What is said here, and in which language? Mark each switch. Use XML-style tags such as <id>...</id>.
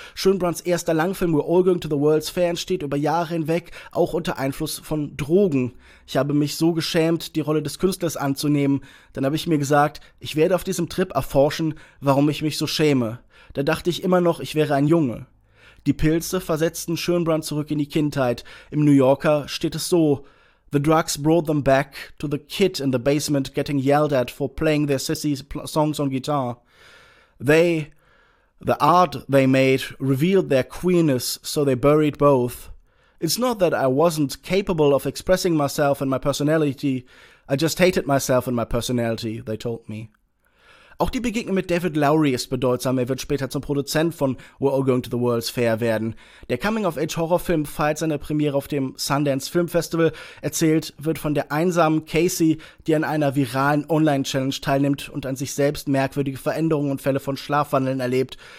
<de>Schönbrunns erster Langfilm We're All Going to the World's Fair entsteht über Jahre hinweg, auch unter Einfluss von Drogen. Ich habe mich so geschämt, die Rolle des Künstlers anzunehmen. Dann habe ich mir gesagt, ich werde auf diesem Trip erforschen, warum ich mich so schäme. Da dachte ich immer noch, ich wäre ein Junge. Die Pilze versetzten Schönbrunn zurück in die Kindheit. Im New Yorker steht es so:</de> <en>The drugs brought them back to the kid in the basement getting yelled at for playing their sissy songs on guitar. The art they made revealed their queerness, so they buried both. It's not that I wasn't capable of expressing myself and my personality. I just hated myself and my personality, they told me.</en> <de>Auch die Begegnung mit David Lowery ist bedeutsam. Er wird später zum Produzent von We're All Going to the World's Fair werden. Der Coming-of-Age-Horrorfilm feiert seine Premiere auf dem Sundance Film Festival. Erzählt wird von der einsamen Casey, die an einer viralen Online-Challenge teilnimmt und an sich selbst merkwürdige Veränderungen und Fälle von Schlafwandeln erlebt.</de>